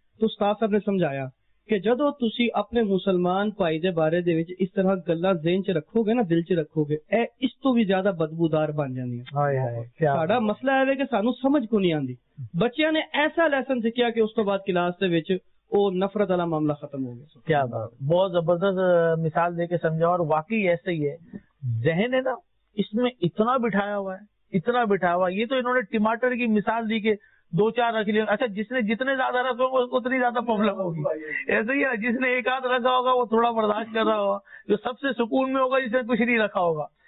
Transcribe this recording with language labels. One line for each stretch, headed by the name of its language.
Punjabi: تو استاد صاحب نے سمجھایا کہ جدو تسی اپنے مسلمان بھائی دے بارے دے وچ اس طرح گلاں ذہن چ رکھو گے نا, دل چ رکھو گے, اے اس تو بھی زیادہ بدبودار بن جاندی ہے. ساڈا مسئلہ ہے کہ سانو سمجھ کو نہیں آندی. بچیاں نے ایسا لیسن سیکھیا کہ اس تو بعد کلاس دے وچ او نفرت والا معاملہ ختم ہو گیا.
Urdu: کیا بات, بہت زبردست مثال دے کے سمجھا. اور واقعی ایسے ہی ہے, ذہن ہے نا اس میں اتنا بٹھایا ہوا ہے, اتنا بٹھایا ہوا. یہ تو انہوں نے ٹماٹر کی مثال دی کہ دو چار رکھ لیے. اچھا جس نے جتنے زیادہ رکھے ہوگا اس کو اتنی زیادہ پرابلم ہوگی, ایسے ہی ہے. جس نے ایک آدھ رکھا ہوگا وہ تھوڑا برداشت کر رہا ہوگا, جو سب سے سکون میں ہوگا جس نے کچھ نہیں رکھا ہوگا.